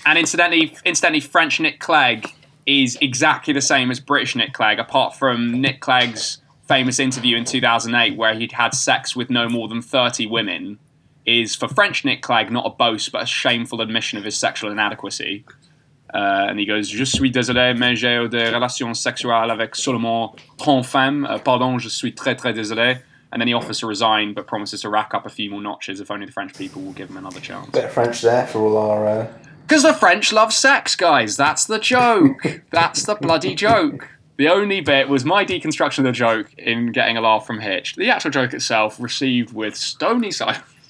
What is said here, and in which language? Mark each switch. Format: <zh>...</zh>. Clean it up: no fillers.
<en>And incidentally, French Nick Clegg is exactly the same as British Nick Clegg, apart from Nick Clegg's famous interview in 2008 where he'd had sex with no more than 30 women, is for French Nick Clegg not a boast but a shameful admission of his sexual inadequacy.</en> <fr>And he goes, je suis désolé, mais j'ai eu des relations sexuelles avec seulement 30 femmes. Pardon, je suis très, très désolé.</fr> <en>And then he offers to resign, but promises to rack up a few more notches if only the French people will give him another chance. Bit of French there for all our... Because the French love sex, guys. That's the joke. That's the bloody joke. The only bit was my deconstruction of the joke in getting a laugh from Hitch. The actual joke itself received with stony silence.</en>